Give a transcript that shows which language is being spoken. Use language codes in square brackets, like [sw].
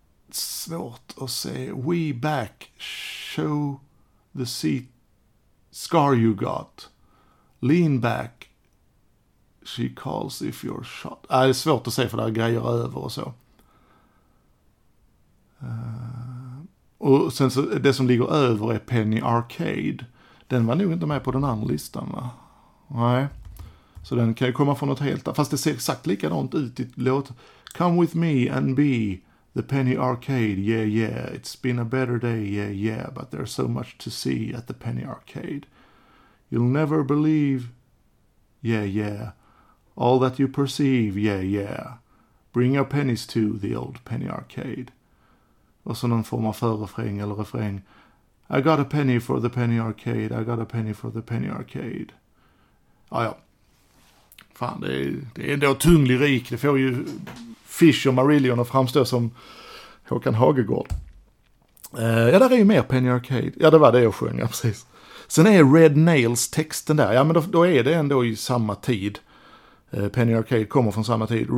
[sv] Svårt att se. [en] We back, show the seat scar you got. Lean back, she calls if you're shot. [sv] Det är svårt att se för det här grejer över och så. Och sen så det som ligger över är Penny Arcade. Den var nog inte med på den andra listan, va? Nej. Så den kan ju komma från något helt. Fast det ser exakt likadant ut i låt. [en] Come with me and be the Penny Arcade. Yeah, yeah. It's been a better day. Yeah, yeah. But there's so much to see at the Penny Arcade. You'll never believe. Yeah, yeah. All that you perceive. Yeah, yeah. Bring your pennies to the old Penny Arcade. [sv] Och så någon form av förrefräng eller refräng. [en] I got a penny for the Penny Arcade. I got a penny for the Penny Arcade. [sv] Ah, ja. Fan, det är ändå tung lyrik. Det får ju Fish och Marillion att framstå som Håkan Hagegård. Ja, där är ju mer Penny Arcade. Ja, det var det jag sjöng, ja, precis. Sen är Red Nails texten där. Ja, men då är det ändå i samma tid. Penny Arcade kommer från samma tid.